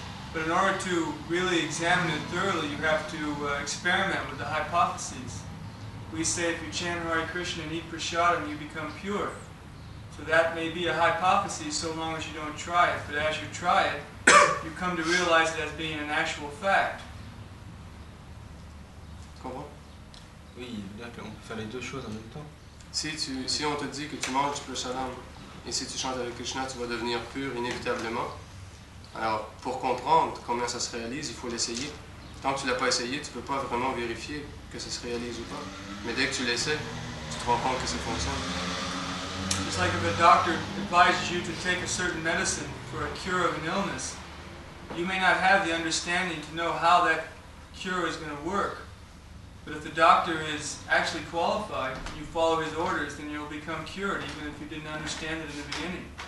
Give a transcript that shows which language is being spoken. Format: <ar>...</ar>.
<en>But in order to really examine it thoroughly, you have to experiment with the hypotheses. We say if you chant Hare Krishna and eat prasadam, you become pure. So that may be a hypothesis so long as you don't try it. But as you try it, you come to realize it as being an actual fact.</en> <fr>Comment? Oui, donc on peut faire les deux choses en même temps. Si on te dit que tu manges prasadam et si tu chantes avec Krishna, tu vas devenir pur inévitablement. Alors, pour comprendre comment ça se réalise, il faut l'essayer. Tant que tu ne l'as pas essayé, tu ne peux pas vraiment vérifier que ça se réalise ou pas. Mais dès que tu l'essaies, tu te rends compte que ça fonctionne.</fr> <en>It's like if a doctor advises you to take a certain medicine for a cure of an illness. You may not have the understanding to know how that cure is going to work. But if the doctor is actually qualified, and you follow his orders, then you'll become cured, even if you didn't understand it in the beginning.</en>